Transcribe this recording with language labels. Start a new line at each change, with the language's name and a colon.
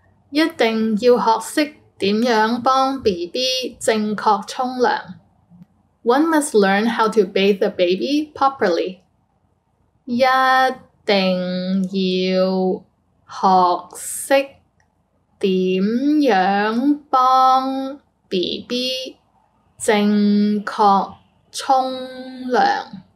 Cantonese: 一定要學識點樣幫 BB 正確沖涼。
English: One must learn how to bathe a baby properly.
Cantonese: 一定要學識點樣幫 BB 正確沖涼。